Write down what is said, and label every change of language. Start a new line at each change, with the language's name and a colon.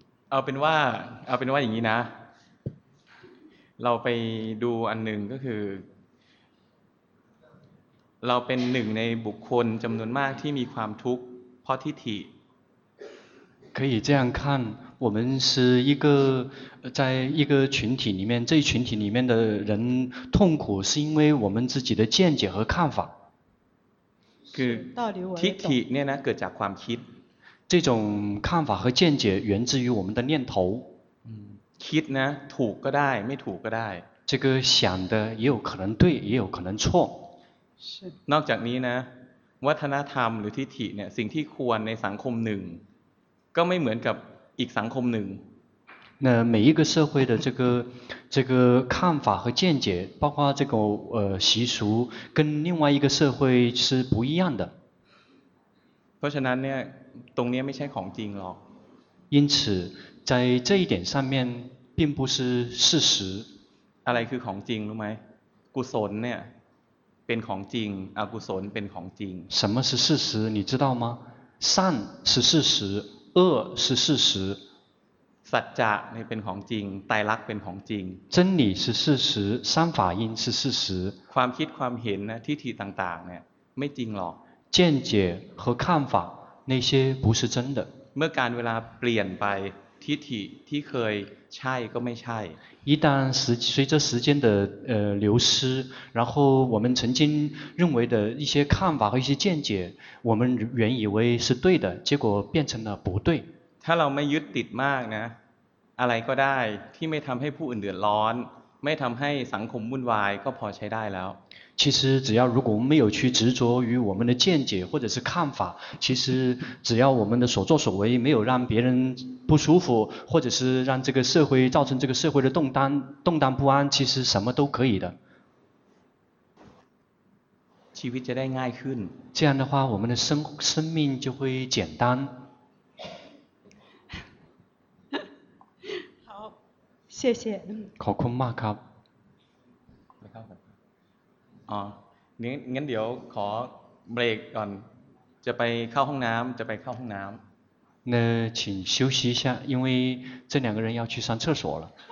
Thai: เอาเป็นว่าอย่างนี้นะเราไปดูอันนึงก็คือเราเป็นหนึ่งในบุคคลจำนวนมากที่มีความทุกข์เพราะทิฏฐิ
Chinese: 可以这样看我们是一个在一个群体里面这一群体里面的人痛苦是因为我们自己的见解和看法
Thai: คือทิฏฐิเนี่ยนะเกิดจากความคิด
Chinese: 这种看法和见解源自于我们的念头
Thai: คิดนะถูกก็ได้ไม่ถูกก็ได้
Chinese: 这个想的也有可能对也有可能错
Thai: นอกจากนี้นะวัฒนธรรมหรือทิฏฐิเนี่ยสิ่งที่ควรในสังคมหนึ่งก็ไม่เหมือนกับอีกสังคมหนึ่ง
Chinese: 那每一个社会的这个看法和见解包括这个习俗跟另外一个社会是不一样的
Thai: เพราะฉะนั้นเนี่ยตรงนี้ไม่ใช่ของจริงหรอก
Chinese: 因此在这一点上面并不是事实
Thai: อะไรคือของจริงรู้ไหมกุศลเนี่ยเป็นของจริงอกุศลเป็นของจริง
Chinese: 什么是事实你知道吗善是事实恶是事实
Thai: สัจจะเนี่ยเป็นของจริงไตรลักษณ์เป็นของจริง
Chinese: 真理是事实三法印是事实
Thai: ความคิดความเห็นนะทิฏฐิต่างๆเนี่ยไม่จริงหรอก
Chinese: 见解和看法那些不是真的
Thai: เมื่อการเวลาเปลี่ยนไปทิฏฐิที่เคยใช่ก็ไม่ใช่
Chinese: 一旦随着时间的流失然后我们曾经认为的一些看法和一些见解我们原以为是对的结果变成了不对
Thai: ถ้าเราไม่ยึดติดมากนะอะไรก็ได้ที่ไม่ทำให้ผู้อื่นเดือดร้อนไม่ทำให้สังคมวุ่นวายก็พอใช้ได้แล้ว
Chinese: 其实只要如果我们没有去执着于我们的见解或者是看法其实只要我们的所作所为没有让别人不舒服或者是让这个社会造成这个社会的动荡不安其实什么都可以的
Thai: ชีวิตจะได้ง่ายขึ้น
Chinese: 这样的话我们的生命就会简单好谢谢
Thai: ขอบคุณมากครับ งั้นเดี๋ยวขอเบรกก่อนจะไปเข้าห้องน้ำจะไปเข้าห้องน้ำ
Chinese: 那请休息一下因为这两个人要去上厕所了